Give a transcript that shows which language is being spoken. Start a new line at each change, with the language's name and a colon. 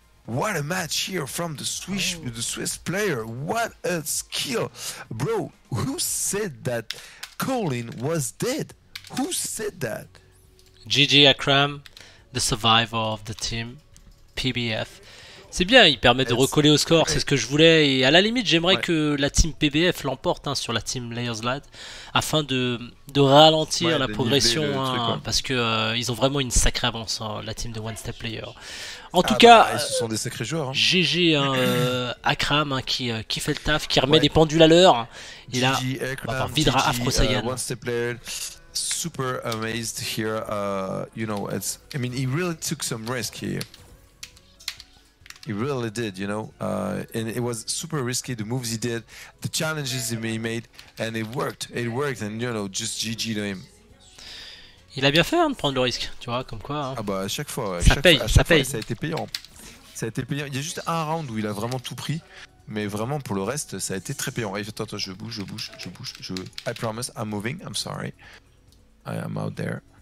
English: What a match here from the Swiss player. What a skill. Bro, who said that Kolin was dead? Who said that? GG Akram, the survivor of the team, PBF.
French: C'est bien, il permet de recoller au score, c'est ce que je voulais. Et à la limite, j'aimerais que la team PBF l'emporte sur la team Layers Lad, afin de ralentir la progression, parce qu'ils ont vraiment une sacrée avance, la team de One Step Player. En tout cas, ce sont des sacrés joueurs. GG Akram qui fait le taf, qui remet des pendules à l'heure. Et là, on Vidra AfroSaiyan.
English: One Step Player, super amazed here. He really took some risk here. He really did, and it was super risky, the moves he did, the challenges he made, and it worked, and just GG to him.
French: Il a bien fait de prendre le risque, tu vois, comme quoi. Ah bah, à chaque fois, ça paye. Ça a été payant. Il y a juste un round où il a vraiment tout pris, mais vraiment, pour le reste, ça a été très payant. Attends, je bouge.
English: I promise, I'm moving, I'm sorry. I am out there.